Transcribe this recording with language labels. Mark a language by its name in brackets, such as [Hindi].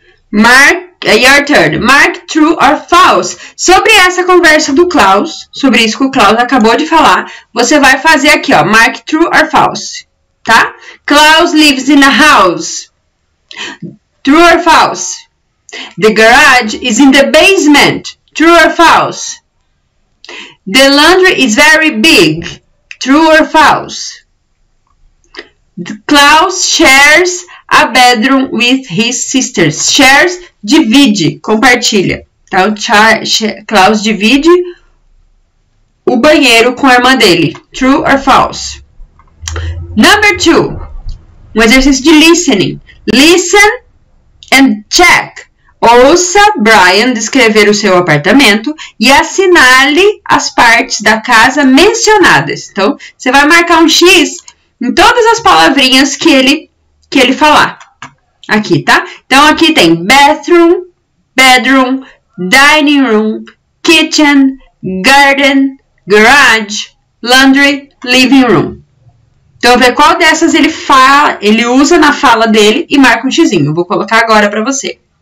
[English] Mark, your turn. Mark true or false. [Portuguese] Sobre essa conversa do Klaus, sobre isso que o Klaus acabou de falar, você vai fazer aqui, ó, [English] mark true or false, [Portuguese] tá? [English] Klaus lives in a house. True or false? The garage is in the basement. True or false? The laundry is very big. True or false? Klaus shares a bedroom with his sisters. [Portuguese] Shares, divide, compartilha. Então, Klaus divide o banheiro com a irmã dele. [English] True or false? Number two. [Portuguese] Um exercício de listening. [English] Listen. And check. [Portuguese] Ouça Brian descrever o seu apartamento e assinale as partes da casa mencionadas. Então, você vai marcar um X em todas as palavrinhas que ele falar. Aqui, tá? Então, aqui tem [English] bathroom, bedroom, dining room, kitchen, garden, garage, laundry, living room. [Portuguese] Então, vê qual dessas ele fala, ele usa na fala dele e marca um xizinho. Vou colocar agora para você.